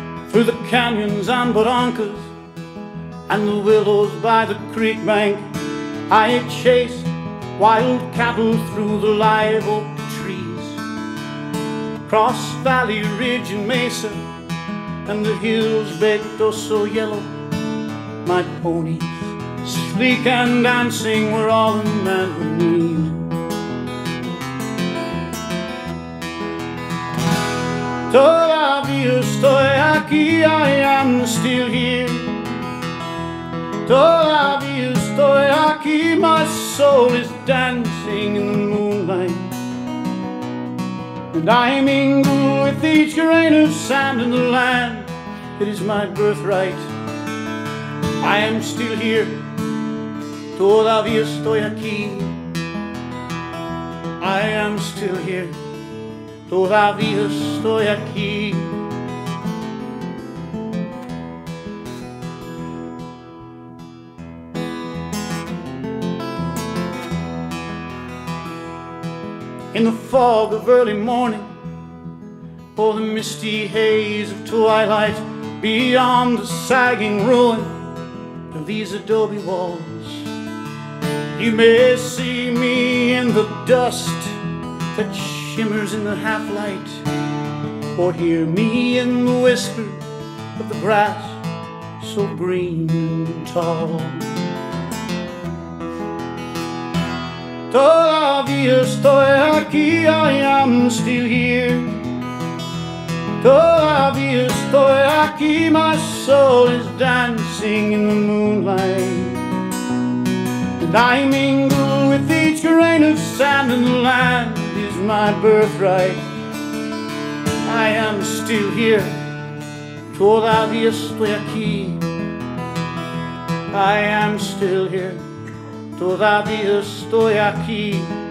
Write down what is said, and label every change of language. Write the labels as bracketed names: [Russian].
[English] Through the canyons and barrancas and the willows by the creek bank, I chase wild cattle through the live oak trees, cross valley ridge and mesa, and the hills baked or so yellow. My ponies, sleek and dancing, were all the man who need. [Spanish] Todavía estoy aquí, [English] I am still here. [Spanish] Todavía estoy aquí, [English] my soul is dancing in the moonlight. And I mingle with each grain of sand in the land. It is my birthright. I am still here. [Spanish] Todavía estoy aquí. [English] I am still here. [Spanish] Todavía estoy aquí. [English] In the fog of early morning, or the misty haze of twilight, beyond the sagging ruin of these adobe walls, you may see me in the dust that shimmers in the half-light, or hear me in the whisper of the grass so green and tall. [Spanish] Todavía estoy aquí, [English] I am still here. [Spanish] Todavía estoy aquí, [English] my soul is dancing in the moonlight. And I mingle with each grain of sand and the land is my birthright. I am still here. [Spanish] Todavía estoy aquí. [English] I am still here. [Spanish] Todavía estoy aquí.